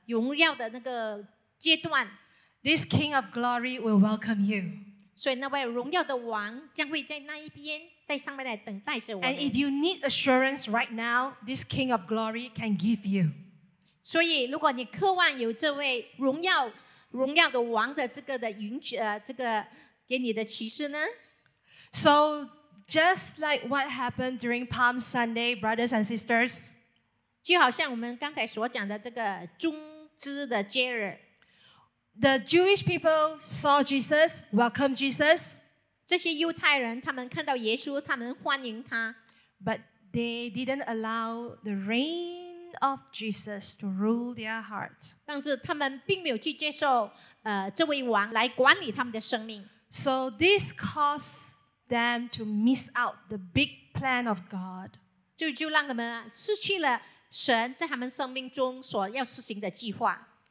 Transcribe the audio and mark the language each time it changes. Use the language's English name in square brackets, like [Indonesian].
[Chinese] 一直到呢，到了那一天，我们会到着这个荣耀的这个荣耀的那个阶段。 [English] This King of Glory will welcome you. [Chinese] 所以那位荣耀的王将会在那一边，在上面来等待着我们。 [English] And if you need assurance right now, this King of Glory can give you. [Chinese] 所以如果你渴望有这位荣耀的王的这个给你的启示呢？ [English] So just like what happened during Palm Sunday, brothers and sisters, [Chinese] 就好像我们刚才所讲的这个中支的节日。 [English] The Jewish people saw Jesus, welcomed Jesus. [Chinese] 这些犹太人，他们看到耶稣，他们欢迎他。 [English] But they didn't allow the reign of Jesus to rule their heart. [Chinese] 但是他们并没有去接受这位王来管理他们的生命。 [English] So this caused them to miss out the big plan of God. [Chinese] 就让他们失去了神在他们生命中所要实行的计划。